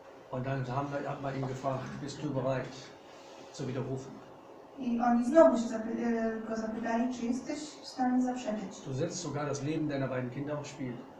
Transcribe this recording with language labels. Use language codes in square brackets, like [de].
[de] Und dann hat man ihn gefragt, bist du bereit zu widerrufen? [pl] I oni znowu się go zapytali, czy jesteś w stanie zaprzeczyć. [de] Du setzt sogar das Leben deiner beiden Kinder aufs Spiel.